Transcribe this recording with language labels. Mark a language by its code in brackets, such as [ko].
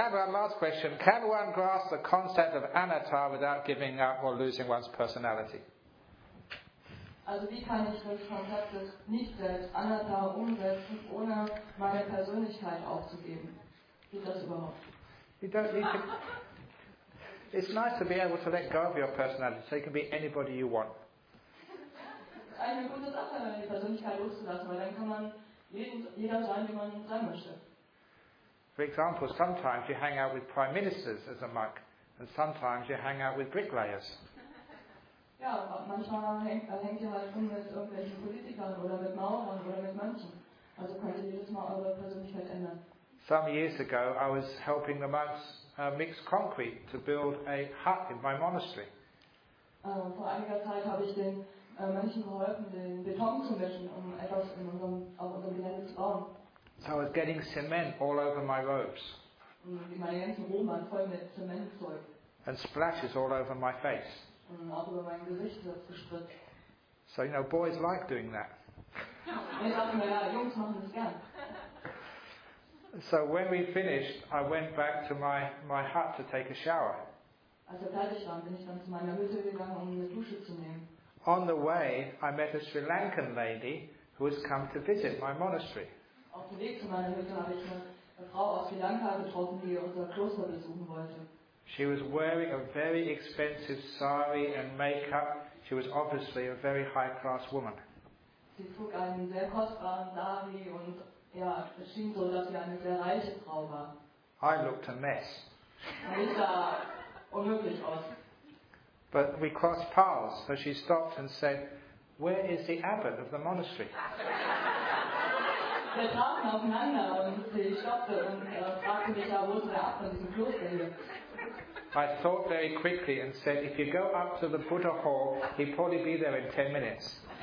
[en] Last question. Can one grasp the concept of anatta without giving up or losing one's personality? [de] Also wie kann ich das Konzept des Nicht-Selbst anatta umsetzen, ohne meine Persönlichkeit aufzugeben? Geht das überhaupt? [en] It's nice to be able to let go of your personality, so you can be anybody you want. [de] Eine gute Sache, die Persönlichkeit loszulassen, weil dann kann man jeder sein, wie man sein möchte. [en] For example, sometimes you hang out with prime ministers as a monk, and sometimes you hang out with bricklayers. [de] Ja, manchmal hängt ihr halt mit irgendwelchen Politikern oder mit Mauern oder mit Mönchen. Also könnt ihr jedes Mal eure Persönlichkeit ändern. [en] Some years ago, I was helping the monks mixed concrete to build a hut in my monastery. [de] Vor einiger Zeit habe ich den Mönchen geholfen, den Beton zu mischen, um etwas in unserem, auf unserem Gelände zu bauen. [en] So I was getting cement all over my robes. [de] Und meine ganzen Roben waren voll mit Zementzeug. [en] And splashes all over my face. [de] Und auch über mein Gesicht ist es gespritzt. [en] So you know, boys like doing that. [de] Ich dachte mir, ja, Jungs machen das gern. [en] So when we finished, I went back to my hut to take a shower. [de] Als wir fertig waren, bin ich dann zu meiner Hütte gegangen, um eine Dusche zu nehmen. [en] On the way, I met a Sri Lankan lady who has come to visit my monastery. [de] Auf dem Weg zu meiner Hütte habe ich eine Frau aus Sri Lanka getroffen, die unser Kloster besuchen wollte. [en] She was wearing a very expensive sari and makeup. She was obviously a very high class woman. [de] Sie trug einen sehr kostbaren Sari und ja, es schien so, dass sie eine sehr reiche Frau war. [en] I looked a mess. [de] Unmöglich aus. [en] But we crossed paths, so she stopped and said, "Where is the abbot of the monastery?" [de] Wir trafen aufeinander und sie stoppte und fragte mich, wo ist der Abt von diesem Kloster hier? [en] I thought very quickly and said, "If you go up to the Buddha Hall, he'll probably be there in 10 minutes."